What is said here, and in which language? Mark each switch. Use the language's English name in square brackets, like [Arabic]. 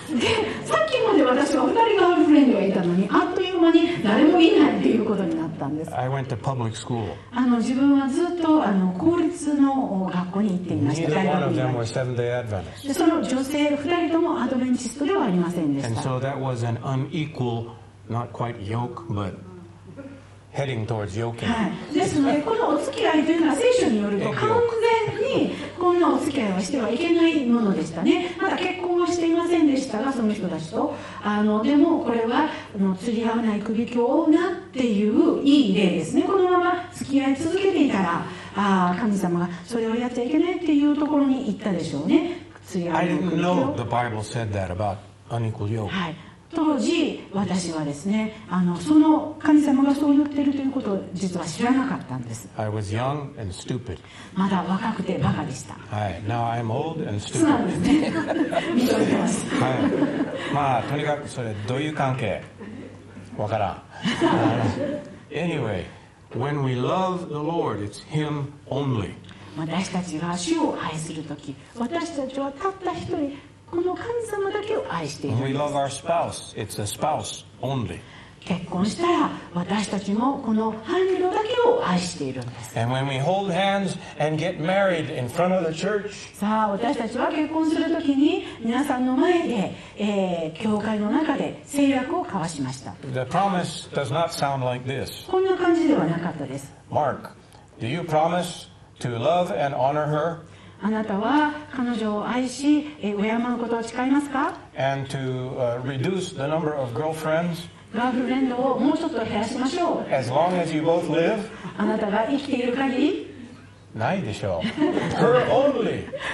[Japanese] で、さっきまで私は二人ガールフレンドがいたのに、あっという間に誰もいないっていうことになったんです。 [English] I went to public school. [Japanese] 自分はずっと公立の学校に行っていました。 [English] Neither one of them were Seventh-day Adventists. [Japanese] で、その女性二人ともアドベンチストではありませんでした。 [English] And so that was an unequal, not quite yoke, but. Heading towards yoking. [Japanese] ですので、このお付き合いというのは聖書によると完全にこのお付き合いはしてはいけないものでしたね。まだ結婚はしていませんでしたが、その人たちと。でもこれは釣り合わない首強なっていういい例ですね。このまま付き合い続けていたら、神様がそれをやっちゃいけないっていうところに行ったでしょうね。釣り合わない [English] 首強。I didn't know the Bible said that about unequal yoke. [Japanese] はい。当時私はですね、その神様がそう言ってるということを実は知らなかったんです。 [English] I was young and stupid. [Japanese] まだ若くてバカでした。 [English] はい。Now I'm old and stupid. [Japanese] そうなんですね。認めてます。はい。まあとにかくそれどういう関係わからん。 [English] Anyway, when we love the Lord, it's Him only. [Japanese] 私たちが主を愛するとき、私たちはたった一人この神様だけを愛しているんです。 [English] We love our spouse. It's a spouse only. [Japanese] 結婚したら私たちもこの伴侶だけを愛しているんです。 [English] And when we hold hands and get married in front of the church, [Japanese] さあ私たちは結婚するときに皆さんの前で、教会の中で誓約を交わしました。 [English] The promise does not sound like this. [Japanese] こんな感じではなかったです。 [English] Mark, do you promise to love and honor her? [Japanese] あなたは彼女を愛し、敬うことを誓いますか？ [English] And to, reduce the number of girlfriends, [Japanese] ガールフレンドをもうちょっと減らしましょう。 [English] As long as you both live, [Japanese] あなたが生きている限り？ないでしょう。 [English] Her only.